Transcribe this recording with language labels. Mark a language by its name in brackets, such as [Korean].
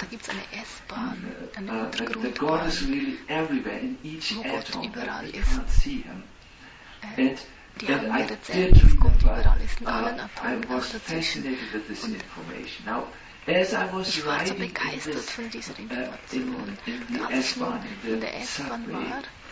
[German] Da gibt es eine S-Bahn, eine Untergrundbahn. [English] The God is really everywhere, in each atom. [German] Überall [English] you can't see him. [German] Die haben mir erzählt, dass Gott überall ist, in allen Atomen auch dazwischen. Ich war so begeistert von dieser Information. Als ich nun in der S-Bahn war,